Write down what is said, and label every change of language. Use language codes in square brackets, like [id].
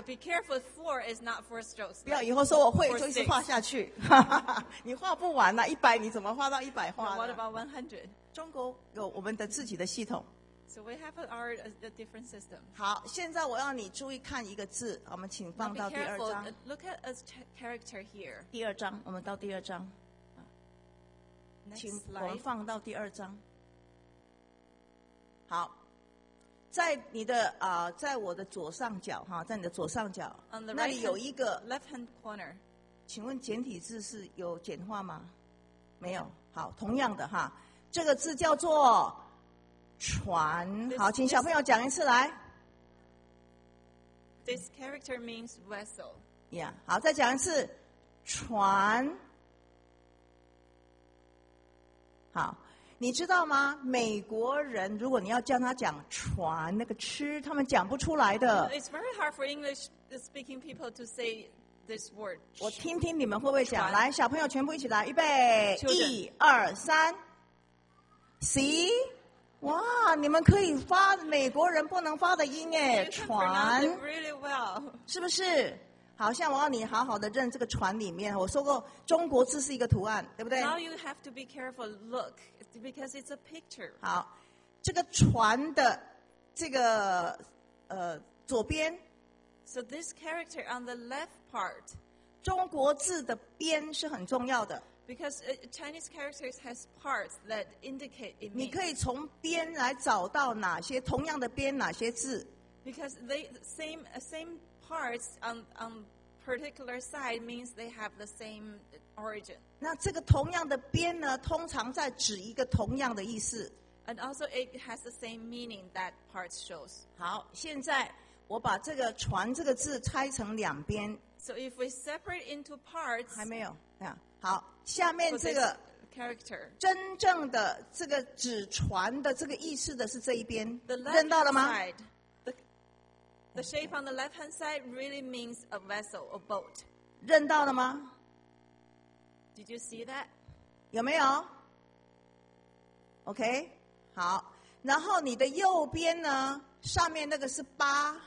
[en] But be careful, four is not four strokes. [zh] 不要以后说我会就一直画下去，你画不完了，一百你怎么画到一百画呢 [en] ？What about 100? [zh] 中国有我们的自己的系统。 [en] So we have our different system. [zh] 好，现在我要你注意看一个字，我们请放到第二章。 [en] Look at a character here. [zh] 第二章，我们到第二章。 [en] Next、 [zh] 请我们放到第二章。好，在你的在我的左上角哈，在你的左上角， [en] On the [zh] 那里有一个 [en] left hand corner. [zh] 请问简体字是有简化吗？没有。好，同样的哈，这个字叫做。船，好，请小朋友讲一次来。 [en] This character means vessel. [zh] Yeah, 好，再讲一次，船。好，你知道吗？美国人如果你要叫他讲船，那个吃，他们讲不出来的。 [en] It's very hard for English speaking people to say this word. [zh] 我听听你们会不会讲。来，小朋友全部一起来，预备，一二三 ，see。哇，你们可以发美国人不能发的音耶，船 [en] really well. [zh] 是不是？好像我要你好好的认这个船里面，我说过中国字是一个图案，对不对？ [en] Now you have to be careful, look, because it's a picture. [zh] 好，这个船的这个左边， [en] So this character on the left part, [zh] 中国字的边是很重要的。 [en] Because Chinese characters has parts that indicate it means. [zh] 你可以从边来找到哪些同样的边哪些字。 [en] Because they same parts on particular side means they have the same origin. [zh] 那这个同样的边呢，通常在指一个同样的意思。 [en] And also it has the same meaning that part shows. [zh] 好，现在我把这个船这个字拆成两边。 [en] So if we separate into parts. [zh] 还没有，对啊。好，下面这个 [en] character [zh] 真正的这个纸船的这个意思的是这一边，认到了吗？ [en] The shape on the left hand side really means a vessel, a boat. [zh] 认到了吗？ [en] Did you see that? [zh] 有没有？OK, 好，然后你的右边呢，上面那个是八。